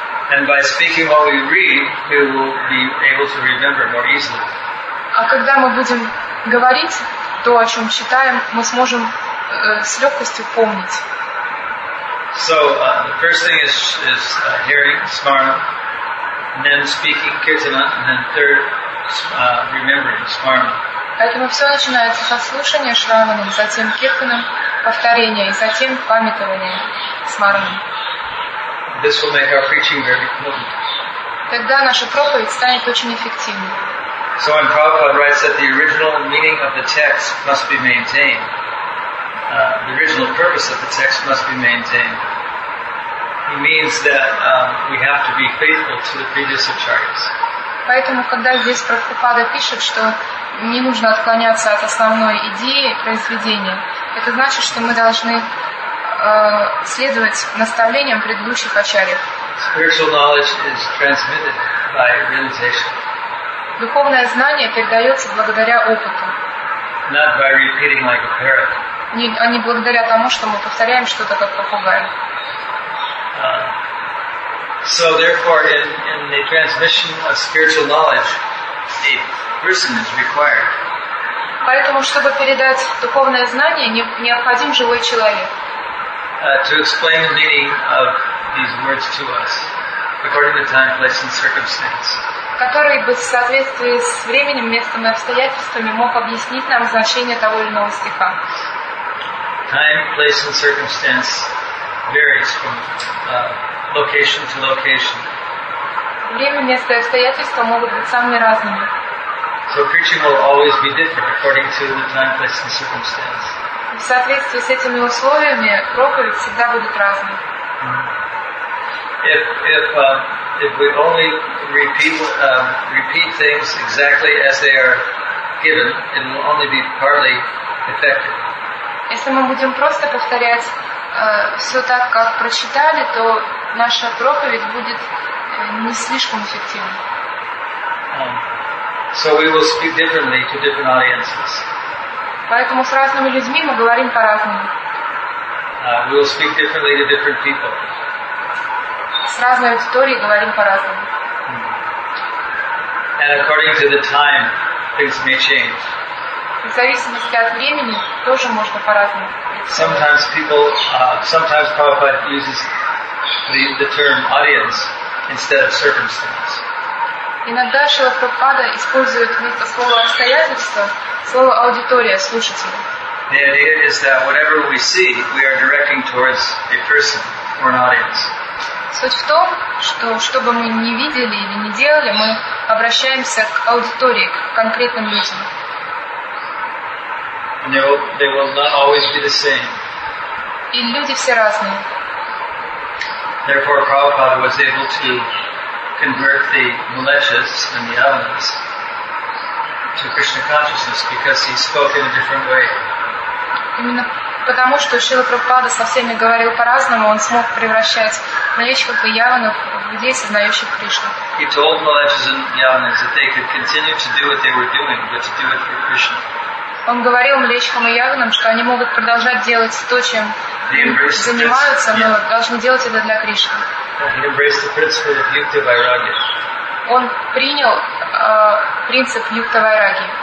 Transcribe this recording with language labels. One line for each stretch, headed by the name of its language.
English: And by speaking what we read, we will be able to remember more easily.
Russian: А когда мы будем говорить то, о чем читаем, мы сможем с легкостью помнить.
English: So the first thing is hearing smarana, and then speaking kirtana, and then third remembering smarana.
Russian: Поэтому все начинается со слушания шраваны, затем киртана, повторения, и затем памятования смарана.
English: This will make our preaching very potent.
Russian: Тогда наша проповедь станет очень эффективной.
English: So when Prabhupada writes that the original meaning of the text must be maintained, the original purpose of the text must be maintained, he means that we have to be faithful to the previous acharyas.
Russian: Поэтому, когда здесь Прабхупада пишет, что не нужно отклоняться от основной идеи произведения, это значит, что мы должны следовать наставлениям предыдущих ачарьев.
English: Spiritual knowledge is transmitted by realization.
Russian: Духовное знание передается благодаря опыту.
English: Not by repeating like a parrot.
Russian: А не благодаря тому, что мы повторяем что-то как попугай.
English: So therefore, in the transmission of spiritual knowledge, a person is required.
Russian: Поэтому, чтобы передать духовное знание, необходим живой человек.
English: To explain the meaning of these words to us, according to time, place, and circumstance.
Russian: Который бы в соответствии с временем, местом и обстоятельствами мог объяснить нам значение того или иного стиха.
English: Time, place, and circumstance varies from location to location.
Russian: Время, место и обстоятельства могут быть самыми разными.
English: So preaching will always be different according to the time, place, and circumstance.
Russian: В соответствии с этими условиями проповедь всегда будет разной.
English: If if we only repeat things exactly as they are given, it will only be partly effective.
Russian: Если мы будем просто повторять все так, как прочитали, то наша проповедь будет не слишком эффективна.
English: So we will speak differently to different audiences.
Russian: Поэтому с разными людьми мы говорим по-разному.
English: We will speak differently to different people.
Russian: С разной аудиторией говорим по-разному.
English: And according to the time, things may change.
Russian: И в зависимости от времени тоже можно по-разному.
English: Sometimes people, sometimes Prabhupada uses the term audience instead of circumstance.
Russian: Иногда Шрила Прабхупада использует вместо слова «обстоятельства» слово «аудитория», «слушатели».
English: The idea is that whatever we see, we are directing towards a person or an audience.
Russian: Суть в том, что что бы мы ни видели или ни делали, мы обращаемся к аудитории, к конкретным людям.
English: No, they will not always be the same.
Russian: И люди все разные.
English: Therefore, Prabhupada was able to convert the mulechas and the avanas to Krishna consciousness because he spoke in a different way.
Russian: Именно потому, что Шрила Прабхупада со всеми говорил по-разному, он смог превращать малечков и яванов в людей, сознающих Кришну.
English: He told malechas and yavanas that they could continue to do what they were doing, but to do it for Krishna.
Russian: Он говорил млечкам и яванам, что они могут продолжать делать то, чем занимаются, но должны делать это для Кришны. Он принял принцип юкта-вайраги.